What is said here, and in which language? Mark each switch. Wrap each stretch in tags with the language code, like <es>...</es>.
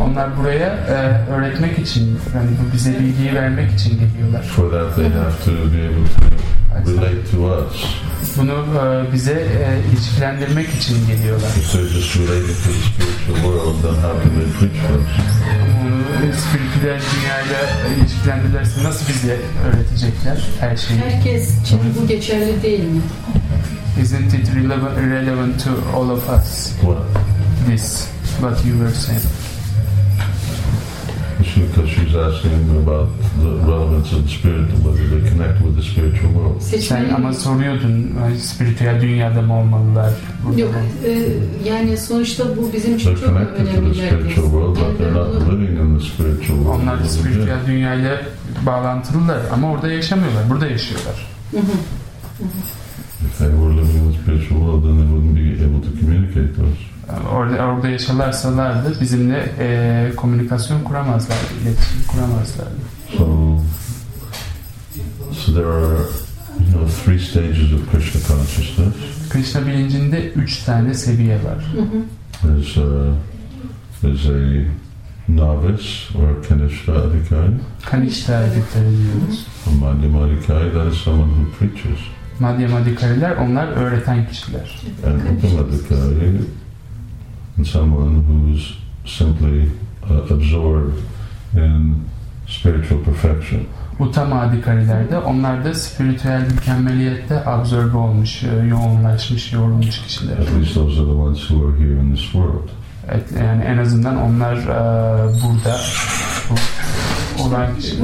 <tr>Onlar buraya öğretmek için, yani bu bize bilgiyi vermek için geliyorlar.</tr> <en>For that they have to be able to relate to us.</en> <tr>Bunu bize ilişkilendirmek için geliyorlar.</tr> <en>If they're just related to the spiritual world, then how can they preach to us?</en> <tr>Bunu spiritüel dünyayla ilişkilendirirse nasıl bize öğretecekler her şeyi? Herkes için bu geçerli değil mi?</tr> <en>Isn't it relevant to all of us? What? This, what you were saying. Because she's asking about the relevance of the spiritual, whether they connect with the spiritual world.</en> <tr>Sen ama soruyordun, spiritüel dünyada mı olmalılar? Yok, yani sonuçta bu bizim için çok önemli bir</tr> <en>They're connected to the spiritual world, but they're not living in the spiritual world.</en> <tr>Onlar spiritüel dünyayla bağlantılılar ama orada yaşamıyorlar, burada yaşıyorlar.</tr> <en>If they were living in the spiritual world, then they wouldn't be able to communicate with us.</en> <tr>Orada yaşarlarsalardı bizimle komünikasyon kuramazlardı, iletişim kuramazlardı.</tr> <en>So there are, you know, three stages of Krishna consciousness.</en> <tr>Krishna bilincinde 3 tane seviye var.</tr> <en>There's a novice or kanishtha adhikari.</en> <tr>Kanishtha adhikari diyoruz.</tr> <en>Madhyama adhikari, that is someone who preaches.</en> <tr>Madhyama adhikariler, onlar öğreten kişiler.</tr> <en>And Uttama adhikari, and someone who's simply absorbed in spiritual perfection.</en> <tr>Uttama Adhikarilerde. Onlar da spiritüel mükemmeliyette absorbe olmuş, yoğunlaşmış, yorulmuş kişiler.</tr> <en>At least those are the ones who are here in this world.</en> <tr>Evet, yani en azından onlar burada olan kişiler.</tr>